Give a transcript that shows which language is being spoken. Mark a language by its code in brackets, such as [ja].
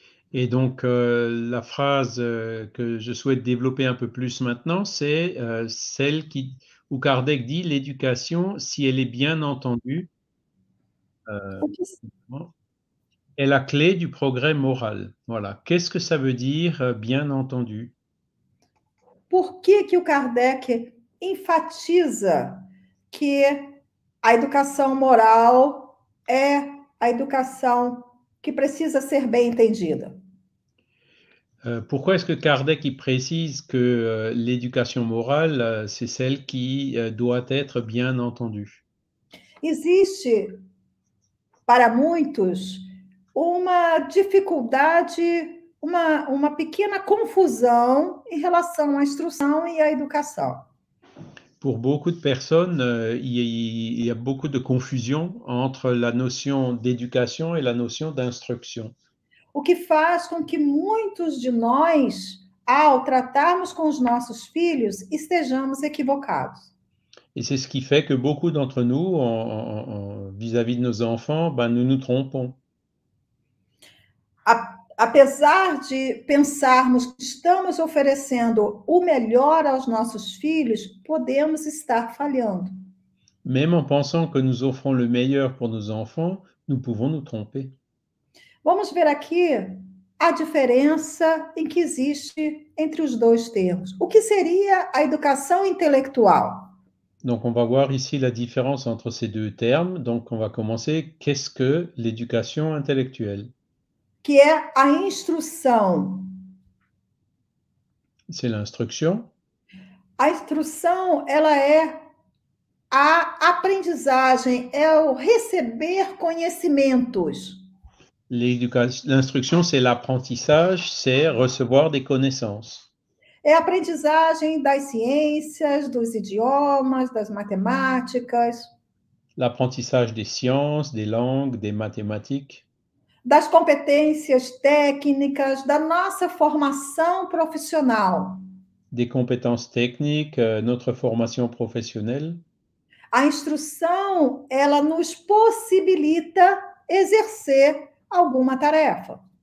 [fr] Et donc, la phrase que je souhaite développer un peu plus maintenant, c'est celle qui, où Kardec dit l'éducation, si elle est bien entendue, est la clé du progrès moral. Voilà. Qu'est-ce que ça veut dire bien entendu? [pt] Por que que o Kardec enfatiza que a educação moral é a educação que precisa ser bem entendida? [fr] Pourquoi est-ce que Kardec y précise que l'éducation morale, c'est celle qui doit être bien entendue? [pt] Existe para muitos uma dificuldade, uma pequena confusão em relação à instrução e à educação. [fr] Pour beaucoup de personnes, il y a beaucoup de confusion entre la notion d'éducation et la notion d'instruction. [pt] O que faz com que muitos de nós, ao tratarmos com os nossos filhos, estejamos equivocados. [fr] Et c'est ce qui fait que beaucoup d'entre nous, vis-à-vis de nos enfants, ben nous nous trompons. [pt] Apesar de pensarmos que estamos oferecendo o melhor aos nossos filhos, podemos estar falhando. [fr] Même en pensant que nous offrons le meilleur pour nos enfants, nous pouvons nous tromper. [pt] Vamos ver aqui a diferença em que existe entre os dois termos. O que seria a educação intelectual? [fr] Donc, on va voir ici la différence entre ces deux termes. Donc, on va commencer. Qu'est-ce que l'éducation intellectuelle? [pt] Que é a instrução. [fr] C'est l'instruction. [pt] A instrução, ela é a aprendizagem, é o receber conhecimentos. [fr] L'instruction, c'est l'apprentissage, c'est recevoir des connaissances. [pt] É a aprendizagem das ciências, dos idiomas, das matemáticas, [fr] L'apprentissage des sciences, des langues, des mathématiques. [pt] das competências técnicas, da nossa formação profissional. [fr] Des compétences techniques, notre formation professionnelle. [pt] A instrução, ela nos possibilita exercer alguma tarefa.